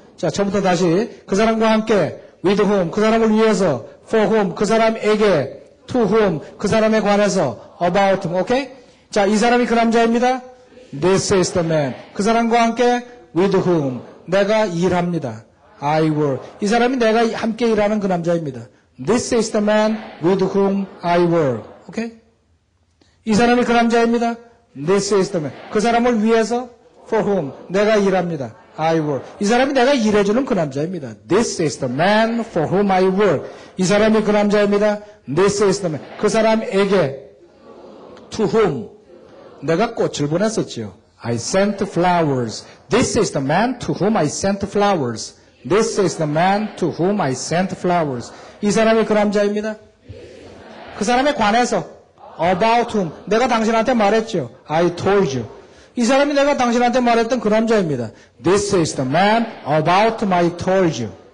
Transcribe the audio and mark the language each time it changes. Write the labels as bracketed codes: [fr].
[ko] 자, 처음부터 다시 그 사람과 함께 [en] with whom, [ko] 그 사람을 위해서 [en] for whom, [ko] 그 사람에게 [en] to whom, [ko] 그 사람에 관해서 [en] about whom. [ko] 오케이? 자, 이 사람이 그 남자입니다. [en] This is the man. [ko] 그 사람과 함께 [en] with whom. [ko] 내가 일합니다. [en] I work. [ko] 이 사람이 내가 함께 일하는 그 남자입니다. [en] This is the man with whom I work. Okay? [ko] 이 사람이 그 남자입니다. [en] This is the man. [ko] 그 사람을 위해서 [en] for whom [ko] 내가 일합니다. [en] I work. [ko] 이 사람이 내가 일해주는 그 남자입니다. [en] This is the man for whom I work. [ko] 이 사람이 그 남자입니다. [en] This is the man. [ko] 그 사람에게 [en] to whom [ko] 내가 꽃을 보냈었지요. [en] I sent flowers. This is the man to whom I sent flowers. This is the man to whom I sent flowers. [ko] 이 사람이 그 남자입니다. 그 사람에 관해서 [en] about whom [ko] 내가 당신한테 말했죠. [en] I told you. [ko] 이 사람이 내가 당신한테 말했던 그 남자입니다. [en] This is the man about whom I told you.